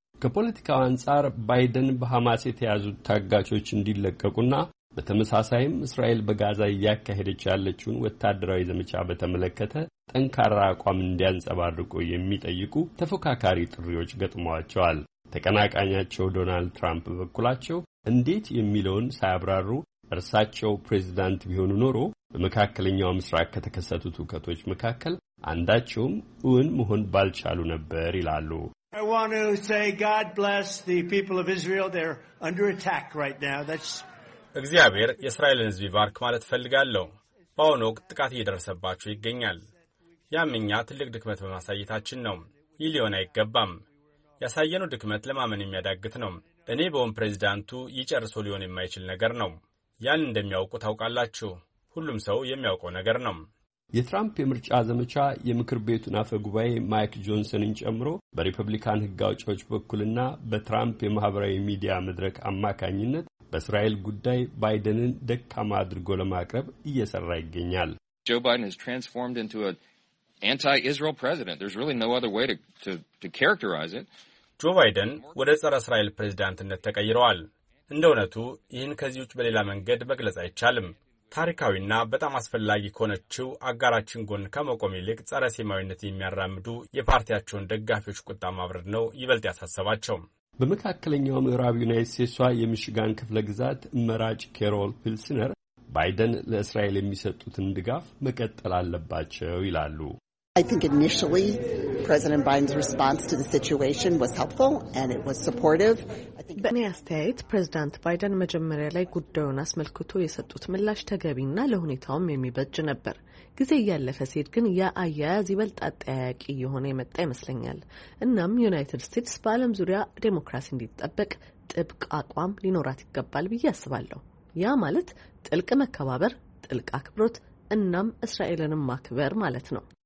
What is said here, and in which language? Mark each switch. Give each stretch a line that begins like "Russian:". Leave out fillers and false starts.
Amharic: ከፖለቲካው አንጻር ባይደን በሐማስ የተያዙት ታጋቾች እንዲለቀቁና በተመሳሳይም እስራኤል በጋዛ ያካሄደች ያለችውን ወታደራዊ ዘመቻ በተመለከተ ጠንካራ አቋም እንዲያንጸባርቁ የሚጠይቁ ተፎካካሪ ጥሪዎች ገጥመዋቸዋል። ተቀናቃኛቸው ዶናልድ ትራምፕ በኩላቸው እንዴት የሚለውን ሳይብራሩ እርሳቸው ፕሬዝዳንት ቢሆኑ ኖሮ በመካከለኛው ምስራቅ ከተከሰቱት ውከቶች መካከል አንዳቸውም እውን መሆን ባልቻሉ ነበር ይላሉ።
English: I want to say God bless the people of Israel. They're under attack right now. That's
Amharic: እግዚአብሔር የእስራኤልን ሕዝብ ይባርክ ማለት ፈልጋለሁ። በአሁኑ ወቅት ጥቃት እየደረሰባቸው ይገኛል። ያም እኛ ትልቅ ድክመት በማሳየታችን ነው። ይህ ሊሆን አይገባም። ያሳየነው ድክመት ለማመን የሚያዳግት ነው። እኔ በሆን ፕሬዚዳንቱ ይጨርሶ ሊሆን የማይችል ነገር ነው። ያን እንደሚያውቁ ታውቃላችሁ። ሁሉም ሰው የሚያውቀው ነገር ነው። የትራምፕ የምርጫ ዘመቻ የምክር ቤቱን አፈ ጉባኤ ማይክ ጆንሰንን ጨምሮ በሪፐብሊካን ሕግ አውጪዎች በኩልና በትራምፕ የማኅበራዊ ሚዲያ መድረክ አማካኝነት በእስራኤል ጉዳይ ባይደንን ደካማ አድርጎ ለማቅረብ እየሰራ ይገኛል።
English: ጆ ባይደን has transformed into a anti-Israel president. There's really no other way to characterize it. ጆ ባይደን ወደ ጸረ እስራኤል ፕሬዝዳንትነት ተቀይሯል። እንደ እውነቱ ይህን ከዚህ ውጭ በሌላ መንገድ መግለጽ አይቻልም። ታሪካዊና በጣም አስፈላጊ ከሆነችው አጋራችን ጎን ከመቆም ይልቅ ጸረ ሴማዊነት የሚያራምዱ የፓርቲያቸውን ደጋፊዎች ቁጣ ማብረድ ነው ይበልጥ ያሳሰባቸው።
Amharic: በመካከለኛው ምዕራብ ዩናይት ስቴትሷ የሚሽጋን ክፍለ ግዛት መራጭ ኬሮል ፒልስነር ባይደን ለእስራኤል የሚሰጡትን ድጋፍ መቀጠል አለባቸው ይላሉ።
English: I think initially President Biden's response to the situation was helpful and it was supportive.
Amharic: በኒያስቴት ፕሬዝዳንት ባይደን መጀመሪያ ላይ ጉዳዩን አስመልክቶ የሰጡት ምላሽ ተገቢና ለሁኔታውም የሚበጅ ነበር። ግዜ ያለፈ ሲል ግን ያ አያያዝ ይበልጥ አጠያቂ የሆነ የመጣ ይመስለኛል። እናም ዩናይትድ ስቴትስ ባለም ዙሪያ ዴሞክራሲ እንዲጠበቅ ጥብቅ አቋም ሊኖራት ይገባል ብዬ አስባለሁ። ያ ማለት ጥልቅ መከባበር፣ ጥልቅ አክብሮት እናም እስራኤልንም ማክበር ማለት ነው።